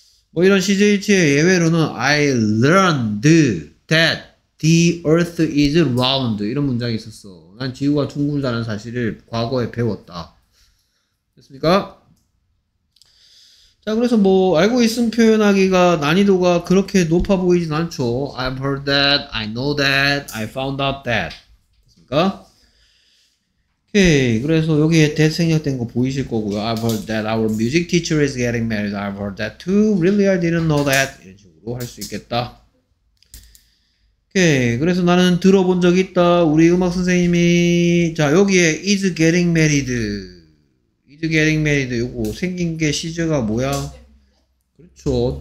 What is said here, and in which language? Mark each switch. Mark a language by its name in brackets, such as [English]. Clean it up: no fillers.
[Korean] 뭐 이런 CJ1의 예외로는 [English] I learned that the earth is round [Korean] 이런 문장이 있었어. 난 지구가 둥글다는 사실을 과거에 배웠다. 됐습니까? 자 그래서 뭐 알고 있음 표현하기가 난이도가 그렇게 높아 보이진 않죠. [English] I've heard that, I know that, I found out that. [Korean] 됐습니까? 오케이. 그래서 여기에 that 생략된 거 보이실 거고요. [English] I've heard that our music teacher is getting married. I've heard that too. Really, I didn't know that. [Korean] 이런 식으로 할 수 있겠다. 오케이. 그래서 나는 들어본 적 있다. 우리 음악 선생님이 자 여기에 [English] is getting married. Is getting married. [Korean] 이거 생긴 게 시제가 뭐야? 그렇죠.